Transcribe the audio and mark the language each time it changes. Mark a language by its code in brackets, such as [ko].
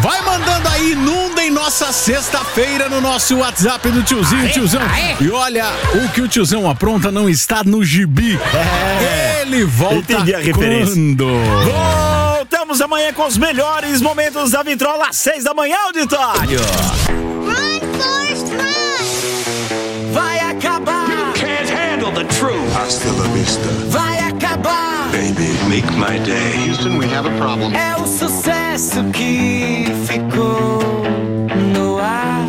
[pt] Vai mandando aí, inundem nossa sexta-feira no nosso WhatsApp do tiozinho, aê, tiozão. Aê. E olha, o que o tiozão apronta não está no gibi. Ele volta. Entendi a referência. Quando? Voltamos amanhã com os melhores momentos da Vitrola, às 6 da manhã, auditório. [en] Run, Forrest, run! [pt] Vai acabar. [en] You can't handle the truth. [es] Hasta la vista. [pt] Vai acabar. [en] Baby, make my day. Houston, we have a problem. [pt] É o sucesso que ficou no ar.